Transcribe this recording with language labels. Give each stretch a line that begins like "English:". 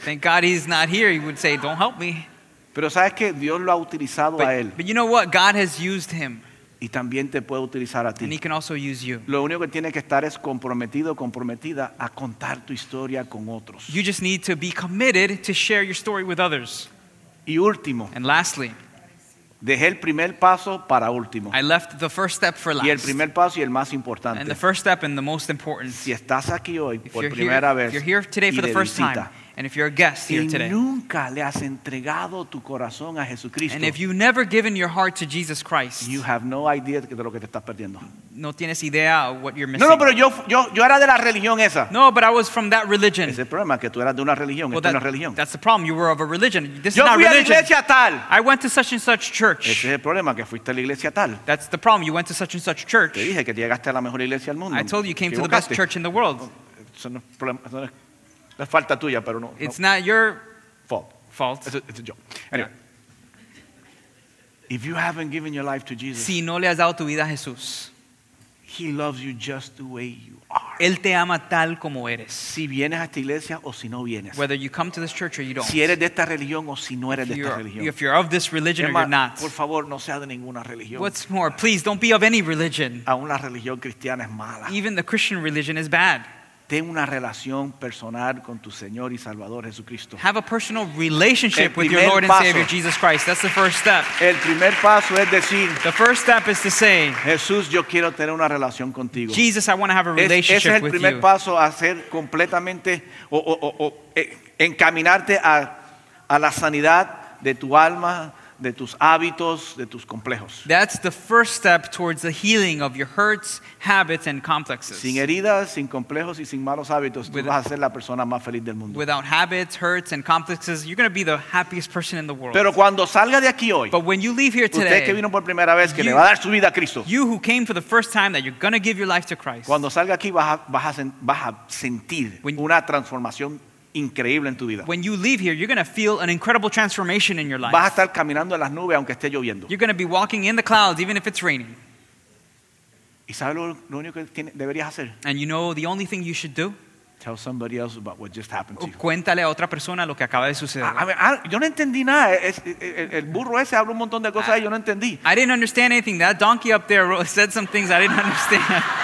English: Thank God he's not here. He would say, don't help me.
Spanish: Pero sabes que Dios lo ha utilizado a él.
English: But you know what? God has used him.
Spanish: Y también te puede utilizar a ti.
English: And he can also use you.
Spanish: Lo único que tiene que estar es comprometido, comprometida a contar tu historia con otros.
English: You just need to be committed to share your story with others.
Spanish: Y último.
English: And lastly.
Spanish: Dejé el primer paso para último.
English: I left the first step for last.
Spanish: Y el primer paso y el más importante.
English: And the first step and the most important.
Spanish: Si estás aquí hoy por primera vez.
English: If you're here today for the first time. And if you're a guest here today.
Spanish: Y nunca le has entregado tu corazón a Jesucristo.
English: And if you've never given your heart to Jesus Christ. You have no idea
Spanish: de lo que te estás perdiendo. No tienes idea
English: of what you're missing.
Spanish: No, pero yo era de la religión esa.
English: No, but I was from that religion.
Spanish: Ese es el problema, que tú eras de una religión.
English: Well,
Spanish: esta es una religión.
English: That's the problem. You were of a religion. This
Spanish: yo
English: is not
Spanish: fui
English: religion.
Spanish: A la iglesia tal.
English: I went to such and such church.
Spanish: Ese es el problema, que fuiste a la iglesia tal.
English: That's the problem. You went to such and such church.
Spanish: Te dije que llegaste a la mejor iglesia del mundo.
English: I told you came to the best church in the world.
Spanish: Eso no es problema. Eso no es la falta tuya, pero no.
English: It's no. Not your fault. It's a joke. Anyway. If you haven't given your life to Jesus.
Spanish: Si no le has dado tu vida a Jesús.
English: He loves you just the way you are.
Spanish: Él te ama tal como eres. Si vienes a esta iglesia o si no vienes.
English: Whether you come to this church or you don't.
Spanish: Si eres de esta religión o si no eres de esta religión.
English: If you're of this religion or you're not.
Spanish: Por favor, no sea de ninguna religión.
English: What's more, please don't be of any religion.
Spanish: Aún la religión cristiana es mala.
English: Even the Christian religion is bad.
Spanish: Ten una relación personal con tu Señor y Salvador Jesucristo.
English: Have a personal relationship with your Lord and Savior Jesus Christ. That's the first step.
Spanish: El primer paso es decir,
English: the first step is to say,
Spanish: Jesús, yo quiero tener una relación contigo.
English: Jesus, I want to have a relationship with you.
Spanish: Ese es el primer paso a ser completamente o encaminarte a la sanidad de tu alma, de tus hábitos, de tus complejos.
English: That's the first step towards the healing of your hurts, habits, and complexes.
Spanish: Sin heridas, sin complejos y sin malos hábitos, tú vas a ser la persona más feliz del mundo.
English: Without habits, hurts, and complexes, you're going to be the happiest person in the world.
Spanish: Pero cuando salga de aquí hoy,
English: but when you leave here today,
Spanish: usted que vino por primera vez, que le va a dar su vida a Cristo.
English: You who came for the first time, that you're going to give your life to Christ.
Spanish: Cuando salga aquí, vas a sentir una transformación increíble en tu vida.
English: When you leave here, you're going to feel an incredible transformation in your life.
Spanish: Vas a estar caminando en las nubes aunque esté lloviendo.
English: You're going to be walking in the clouds even if it's raining.
Spanish: ¿Y sabes lo único que deberías hacer?
English: And you know the only thing you should do? Tell somebody else about what just happened to you.
Spanish: Cuéntale a otra persona lo que acaba de suceder. Yo no entendí nada. El burro ese habló un montón de cosas y yo no entendí.
English: I didn't understand anything. That donkey up there said some things I didn't understand.